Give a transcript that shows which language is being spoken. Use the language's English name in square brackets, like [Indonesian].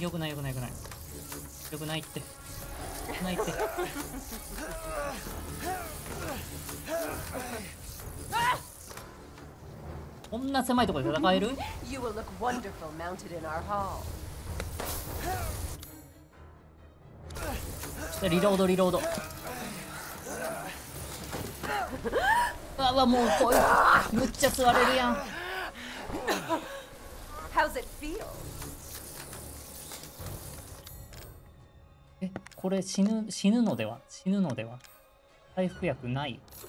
[Japanese] よくない、よくない、よくない。よくないって。よくないって。こんな狭いところで戦える？ [English] You will look wonderful mounted in our hall. [Japanese] リロードリロード。うわ、もうこいつむっちゃ吸われるやん。 [English] How's it feel? [Japanese] え、これ死ぬのでは回復薬ない。